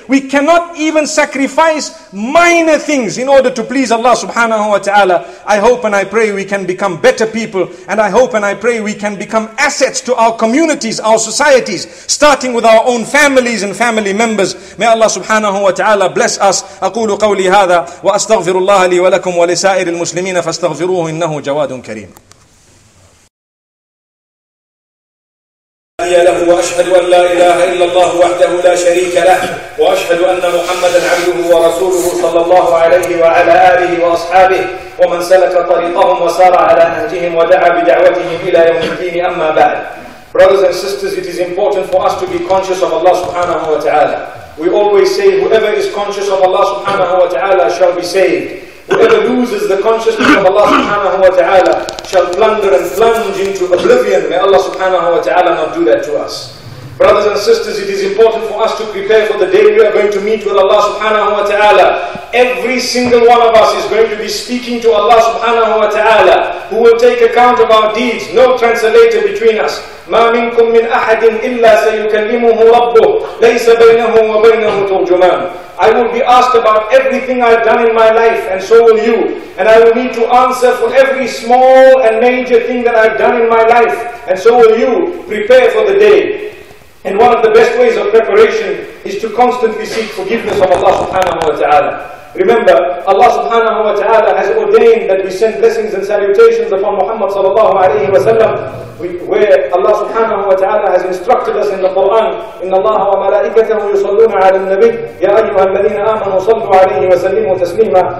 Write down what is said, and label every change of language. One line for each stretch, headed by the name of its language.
English: We cannot even sacrifice minor things in order to please Allah subhanahu wa ta'ala. I hope and I pray we can become better people. And I hope and I pray we can become assets to our communities, our societies, starting with our own families and family members. May Allah subhanahu wa ta'ala bless us.
Arabic: أقول قولي هذا وأستغفر الله لي ولكم ولسائر المسلمين فاستغفروه إنه جواد كريم. وأشهد أن لا إله إلا الله وحده لا شريك له وأشهد أن محمدا عبده ورسوله صلى الله عليه وعلى آله وأصحابه ومن سلك طريقهم وسار على نهجهم ودعا بدعوتهم إلى يوم الدين أما بعد.
English: Brothers and sisters, it is important for us to be conscious of Allah subhanahu wa ta'ala. We always say, whoever is conscious of Allah subhanahu wa ta'ala shall be saved. Whoever loses the consciousness of Allah subhanahu wa ta'ala shall plunder and plunge into oblivion. May Allah subhanahu wa ta'ala not do that to us. Brothers and sisters, it is important for us to prepare for the day we are going to meet with Allah subhanahu wa ta'ala. Every single one of us is going to be speaking to Allah subhanahu wa ta'ala, who will take account of our deeds. No translator between us.
Arabic: مَا مِنْكُمْ مِنْ أَحَدٍ إِلَّا سَيُكَلِّمُهُ رَبُّهُ لَيْسَ بَيْنَهُ وَبَيْنَهُ تُرْجُمَانُ.
English: I will be asked about everything I've done in my life, and so will you. And I will need to answer for every small and major thing that I've done in my life, and so will you. Prepare for the day. And one of the best ways of preparation is to constantly seek forgiveness of Allah subhanahu wa ta'ala. Remember, Allah subhanahu wa ta'ala has ordained that we send blessings and salutations upon Muhammad sallallahu alayhi wa sallam, where Allah subhanahu wa ta'ala has instructed us in the Quran,
Arabic: إِنَّ اللَّهَ وَمَلَائِكَتَهُ يُصَلُّونَ عَلَى النَّبِيِّ يَا أَيُّهَا الَّذِينَ آمَنُوا صَلُّوا عَلَيْهِ وَسَلِّمُوا تَسْلِيمًا